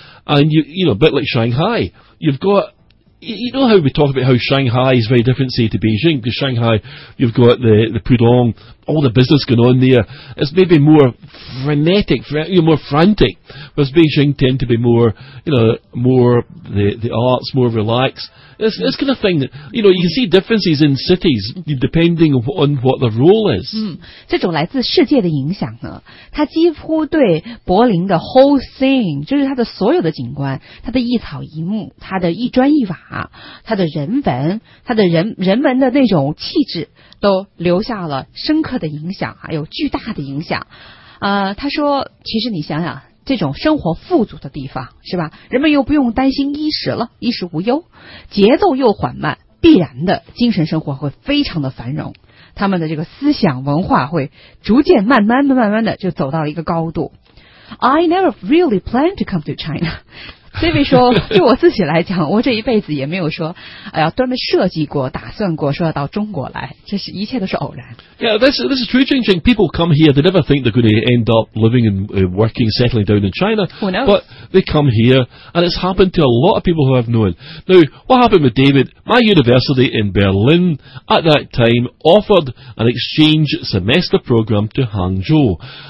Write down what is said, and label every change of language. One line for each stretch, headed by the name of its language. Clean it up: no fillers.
English: And you know, a bit like Shanghai, you've got, you know how we talk about how Shanghai is very different, say, to Beijing, because Shanghai, you've got the Pudong, all the business going on there, it's maybe more frenetic, more frantic, whereas Beijing tend to be more, more the arts, more relaxed, this kind of thing, you can see differences in cities, depending on what the role is.
Chinese: 这种来自世界的影响呢，它几乎对柏林的
English: whole scene,
Chinese: 就是它的所有的景观，它的一草一木，它的一砖一瓦，它的人文，它的人文的那种气质，都留下了深刻的影响，还有巨大的影响。他说，其实你想想，这种生活富足的地方，是吧？人们又不用担心衣食了，衣食无忧，节奏又缓慢，必然的精神生活会非常的繁荣，他们的这个思想文化会逐渐慢慢的就走到了一个高度。
English: I never really planned to come to China.
Chinese: 所以说就我自己来讲我这一辈子也没有说哎呀专门设计过打算过说要到中国来这是一切都是偶然。
English: Yeah, this is true, Jing Jing. People come here, they never think they're going to end up living and working, settling down in China. Who knows? But they come here and it's happened to a lot of people who I've known. Now, what happened with David? My university in Berlin at that time offered an exchange semester program to Hangzhou.